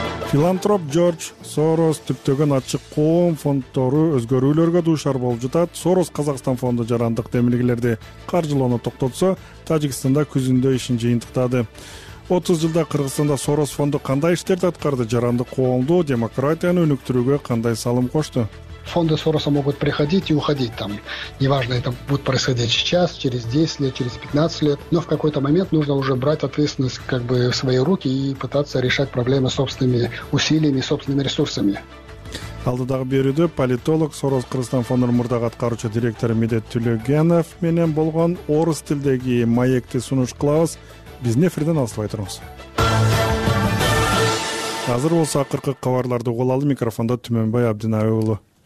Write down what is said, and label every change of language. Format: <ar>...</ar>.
<ky>Филантроп Джордж Сорос түптөгөн ачык коом фонддору өзгөрүүлөргө дуушар болуп жатат. Сорос Казакстан фонду жарандык демилгелерди каржылоону токтотсо, Тажикстанда күзүндө ишин жыйынтыктады. 30 жылда Кыргызстанда Сорос фонду кандай иштерди аткарды? Жарандык коомду, демократияны өнүктүрүүгө кандай салым кошту?</ky> <ru>Фонды Сороса могут приходить и уходить там. Неважно, это будет происходить сейчас, через 10 лет, через 15 лет. Но в какой-то момент нужно уже брать ответственность как бы в свои руки и пытаться решать проблемы собственными усилиями, собственными ресурсами.</ru> <ky>Алдыдагы берүүдө политолог, Сорос Кыргызстан фондунун мурдагы аткаруучу директору Медет Түлөгенов менен болгон орус тилдеги маекти сунуш кылабыз. Биздин эфирден алыстабай туруңуз. Азыр болсо акыркы кабарларды угалалы, микрофондо Түмөнбай Абдинаев уулу.</ky>